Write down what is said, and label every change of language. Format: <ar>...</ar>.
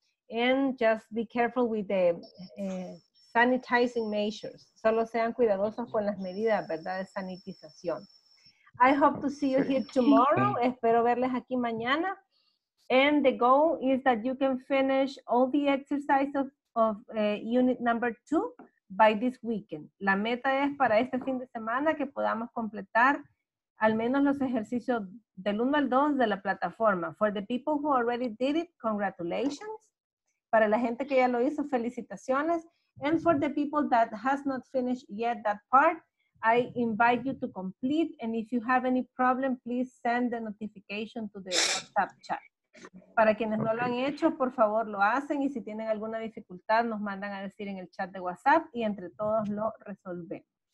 <en>And just be careful with the sanitizing measures.</en> <es>Solo sean cuidadosos con las medidas, ¿verdad?, de sanitización.</es> <en>I hope to see you here tomorrow.</en> <es>Espero verles aquí mañana.</es> <en>And the goal is that you can finish all the exercises of unit number 2 by this weekend.</en> <es>La meta es para este fin de semana que podamos completar al menos los ejercicios del 1 al 2 de la plataforma.</es> <en>For the people who already did it, congratulations.</en> <es>Para la gente que ya lo hizo, felicitaciones.</es> <en>And for the people that has not finished yet that part, I invite you to complete, and if you have any problem, please send the notification to the WhatsApp chat.</en> <es>Para quienes no lo han hecho, por favor, lo hacen, y si tienen alguna dificultad, nos mandan a decir en el chat de WhatsApp, y entre todos lo resolvemos.</es>